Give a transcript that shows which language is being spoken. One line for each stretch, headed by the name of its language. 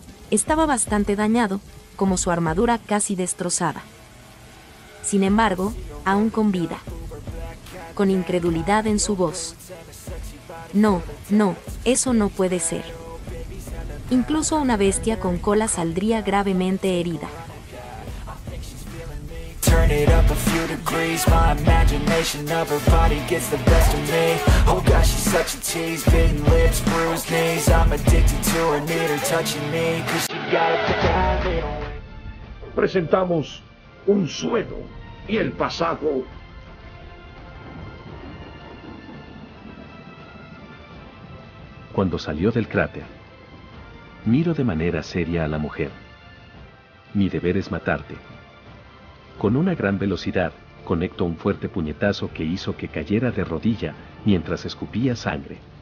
Spanish: Estaba bastante dañado, como su armadura casi destrozada. Sin embargo, aún con vida. Con incredulidad en su voz. no, no, eso no puede ser. Incluso una bestia con cola saldría gravemente herida.
English: Turn it up a few degrees, my imagination of her body gets the best of me. Oh gosh, she's such a tease, bitten lips, bruised knees. I'm addicted to her, need her touching me, cause she got a habit.
Spanish: Presentamos Un Sueño y el Pasado. Cuando salió del cráter, miro de manera seria a la mujer. Mi deber es matarte. Con una gran velocidad, conecto un fuerte puñetazo que hizo que cayera de rodilla mientras escupía sangre.